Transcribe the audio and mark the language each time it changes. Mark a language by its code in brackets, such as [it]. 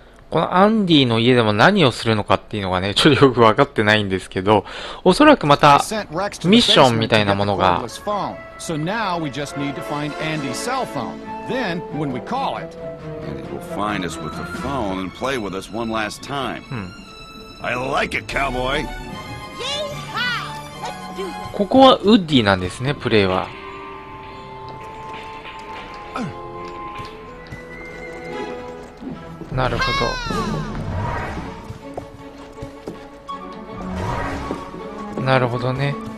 [ja] このアンディの家でも何をするのかっていうのがね、ちょっとよく分かってないんですけど、おそらくまたミッションみたいなものが。 [en] So now we just need to find Andy's cell phone. Then when we call it, it will find us with the phone and play with us one last time. I like it, cowboy. [ja] ここはウッディなんですね、プレイは。なるほど。なるほどね。